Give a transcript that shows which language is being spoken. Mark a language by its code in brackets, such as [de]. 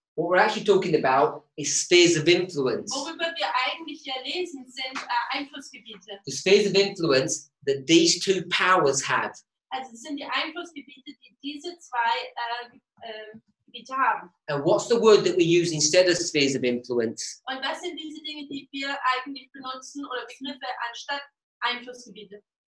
[en] what we're actually talking about is spheres of influence. [de] Worüber wir eigentlich hier lesen, sind Einflussgebiete. [en] The spheres of influence that these two powers have. [de] Also sind die Einflussgebiete, die diese zwei Gebiete haben. [en] And what's the word that we use instead of spheres of influence? [de] Und was sind diese Dinge, die wir eigentlich benutzen oder Begriffe anstatt Einflussgebiete?